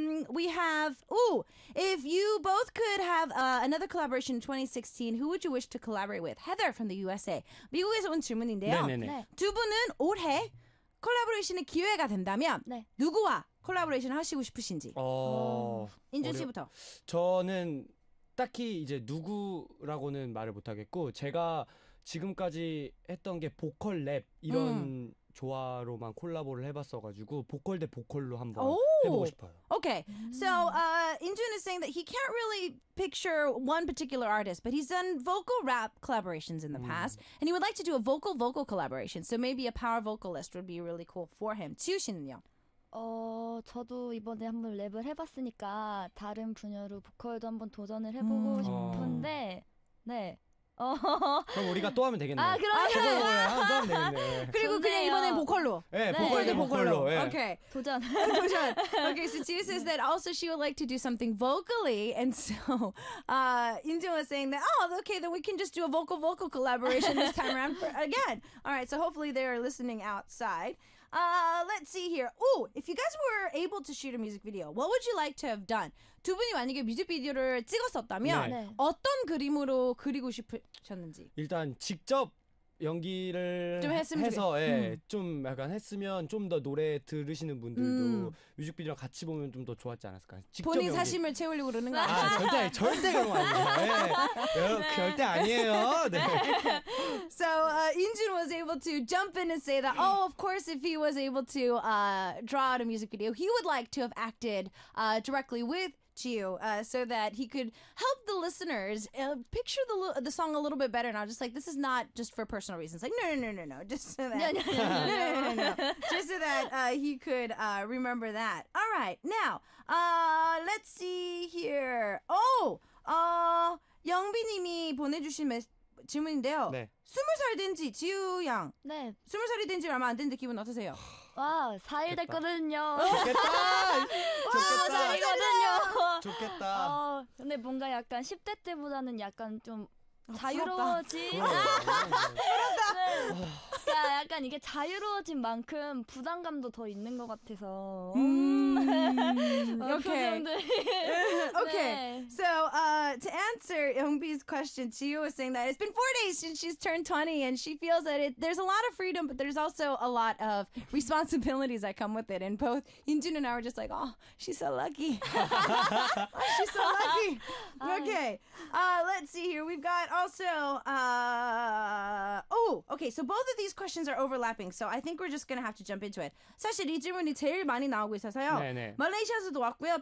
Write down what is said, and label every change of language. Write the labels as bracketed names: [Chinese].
[English] We have, if you both could have another collaboration in 2016, who would you wish to collaborate with? Heather from the USA. [Korean] 미국에서 온 질문인데요. 네, 네, 네. 두 분 는 올해 콜라보레이션의 기회가 된다면 네. 누구와 콜라보레이션 하시고 싶으신지. 인준 씨부터. 저는 딱히 이제 누구라고는 말을 못 하겠고 제가 지금까지 했던 게 보컬 랩 이런 조화로만 콜라보를 해봤어 가지고 보컬 대 보컬로 한번 해보고 싶어요. [English] Okay, so Injun is saying that he can't really picture one particular artist, but he's done vocal rap collaborations in the past, and he would like to do a vocal collaboration. So maybe a power vocalist would be really cool for him. [Korean] 지우 씨는요? 저도 이번에 한번 랩을 해봤으니까 다른 분야로 보컬도 한번 도전을 해보고 싶은데, 네. 그럼 우리가 또 하면 되겠네요. 아, 그러면 또 하면 되겠네요. 그리고 좋네요. 그냥 이번엔 보컬로. 네, 네. 보컬 대 보컬로. 네. 오케이. 도전. 도전. [English] Okay, so Jiu says that also she would like to do something vocally, and so Injun was saying that, oh, okay, then we can just do a vocal collaboration this time around again. All right, so hopefully they are listening outside. Let's see here. Oh, if you guys were able to shoot a music video, what would you like to have done? [Korean] 두 분이 만약에 뮤직비디오를 찍었었다면 네. 어떤 그림으로 그리고 싶으셨는지. 일단 직접 연기를 좀 했으면 해서 예, 좀 약간 했으면 좀 더 노래 들으시는 분들도 뮤직비디오랑 같이 보면 좀 더 좋았지 않았을까. 직접 본인 연기. 사심을 채우려고 그러는 거 아니에요? 아, 절대 절대 그런 거 아니에요. 네. 네. 절대 아니에요. 네. [English] So Injun was able to jump in and say that oh of course if he was able to draw out a music video he would like to have acted directly with you so that he could help the listeners picture the song a little bit better. And I was just like, this is not just for personal reasons. Like, no. Just so that, no. Just so that he could remember that. All right. Now, let's see here. [Korean] Oh, 영빈님이 보내주신 질문인데요. 네. 스물 살 된지 지우 양. 네. 스물 살이 된지 얼마 안 된 느낌은 어떠세요? 와, 4일 됐거든요. 좋겠다. 와, 4일이거든요. 좋겠다. 근데 뭔가 약간 10대 때보다는 약간 좀 자유로워진. 부럽다. 네. 약간 이게 자유로워진 만큼 부담감도 더 있는 것 같아서. 오케이. 오케이. [English] So, to answer Youngbi's question, Chiyo was saying that it's been 4 days since she's turned 20 and she feels that there's a lot of freedom, but there's also a lot of responsibilities that come with it. And both Injun and I were just like, oh, she's so lucky. She's so lucky. Okay. Let's see here. We've got also, okay. So both of these questions are overlapping. So I think we're just going to have to jump into it. [Korean] 사실 이 질문이 제일 많이 나오고 있어서요. 네네. 말레이시아에서도 왔고요.